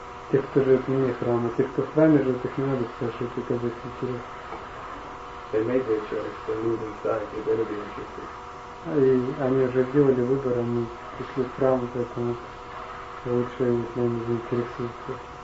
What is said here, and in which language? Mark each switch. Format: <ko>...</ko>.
<ru>Тех, кто живет вне храма, тех, кто в храме живет, их не надо спрашивать, как это интересно.</ru> <en>They made their choice, they moved inside, they better be interested.</en> <ru>И они уже сделали выбор, они пришли в храм, поэтому лучше, если они заинтересуются.</ru>